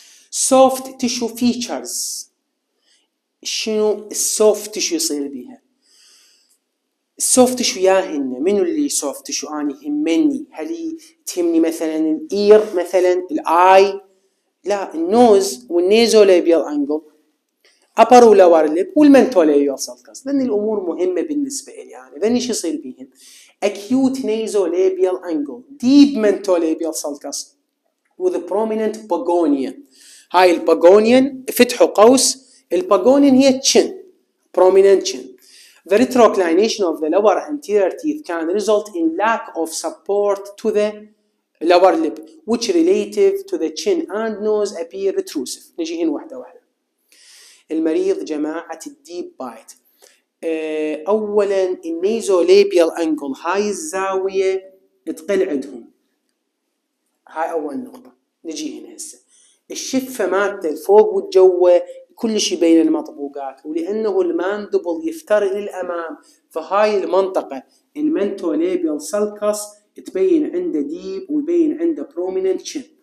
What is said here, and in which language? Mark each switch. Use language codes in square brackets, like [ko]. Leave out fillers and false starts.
[ar] سوفت تيشو فيتشرز، شنو السوفت تيشو يصير بيها؟ السوفت تيشو ياهن منو اللي سوفت تيشو اني همني؟ هل تهمني مثلا الاير، مثلا الاي؟ لا، النوز والنيزوليبيال انجل، أبر ولور ليب، والمنتوليال سلكس، لأن الأمور مهمة بالنسبة إلي يعني. لأن إيش يصير بيهن؟ [en] Acute nasolabial angle, deep mentolabial sulcus, with prominent pogonion. [ar] هاي الباجونيان فتحوا قوس، الباجونيان هي تشن، برومينت تشن. [en] The retroclination of the lower anterior teeth can result in lack of support to the lower lip, which relative to the chin and nose appear retrusive. [ar] نجيهن واحدة واحدة. المريض جماعة الديب بايت، أولا النيزو ليبيال أنجل هاي الزاوية تقل عندهم، هاي أول نقطة. نجي هنا هسه الشفة مالته الفوق والجوة كل شيء بين المطبوقات، ولأنه الماندبل يفتر للأمام، فهاي المنطقة المنتو ليبيال سلكس تبين عنده ديب ويبين عنده برومينينت شن.